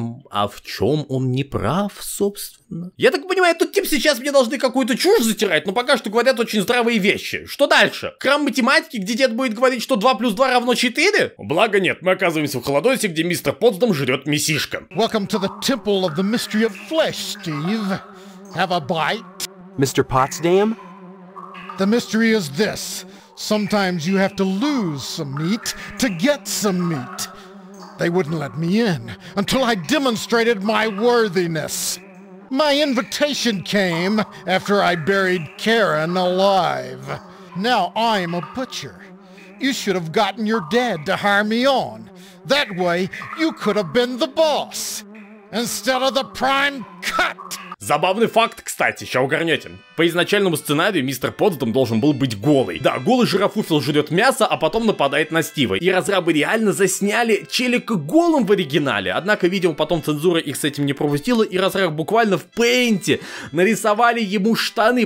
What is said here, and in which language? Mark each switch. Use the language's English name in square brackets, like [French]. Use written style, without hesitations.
[Russian] А в чем он не прав, собственно? Я так понимаю, этот тип сейчас мне должны какую-то чушь затирать, но пока что говорят очень здравые вещи. Что дальше? Храм математики, где дед будет говорить, что 2 плюс 2 равно 4? Благо нет, мы оказываемся в Холодосе, где мистер Потсдам жрет мясишко. [English] Welcome to the temple of the mystery of flesh, Steve. Have a bite. Mr. Potsdam? The mystery is this. Sometimes you have to lose some meat to get some meat. They wouldn't let me in until I demonstrated my worthiness. My invitation came after I buried Karen alive. Now I'm a butcher. You should have gotten your dad to hire me on. That way, you could have been the boss instead of the prime cut. [Russian] Забавный факт, кстати, ща угорнете. По изначальному сценарию мистер Потсдам должен был быть голый. Да, голый жирафуфел жрет мясо, а потом нападает на Стива. И разрабы реально засняли челика голым в оригинале. Однако, видимо, потом цензура их с этим не пропустила, и разраб буквально в пейнте нарисовали ему штаны.